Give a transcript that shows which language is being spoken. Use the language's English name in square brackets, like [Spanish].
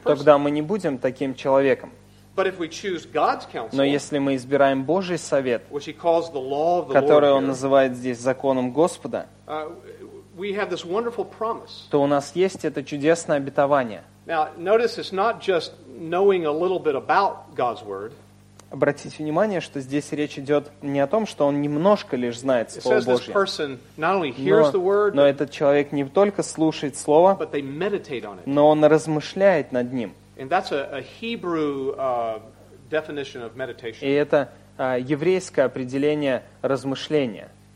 [Russian] тогда мы не будем таким человеком. [English] But if we choose God's counsel, [Russian] но если мы избираем Божий совет, [English] which he calls the law of the [Russian] который [English] Lord [Russian] он называет здесь законом Господа, [English] we have this wonderful promise. [Russian] То у нас есть это чудесное обетование. [English] Now, notice it's not just knowing a little bit about God's word. [Russian] Обратите внимание, что здесь речь идет не о том, что он немножко лишь знает Слово Божье, но этот человек не только слушает Слово, но он размышляет над ним. И это еврейское определение размышления.